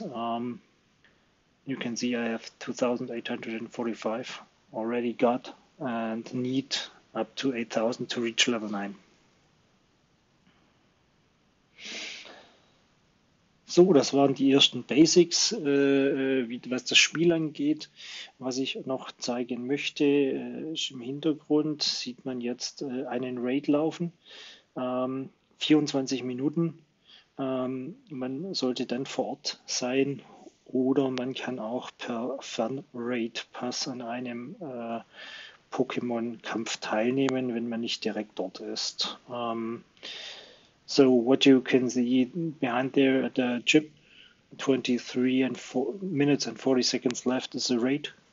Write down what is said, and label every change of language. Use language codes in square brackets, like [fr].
[en] You can see I have 2845 already got and need up to 8000 to reach level 9. [de] So, das waren die ersten Basics, was das Spiel angeht. Was ich noch zeigen möchte, ist im Hintergrund sieht man jetzt einen Raid laufen. 24 Minuten. Man sollte dann vor Ort sein oder man kann auch per Fernraid-Pass an einem Pokémon-Kampf teilnehmen, wenn man nicht direkt dort ist. [en] So what you can see behind there at the chip, 23 and 4 minutes and 40 seconds left is the raid.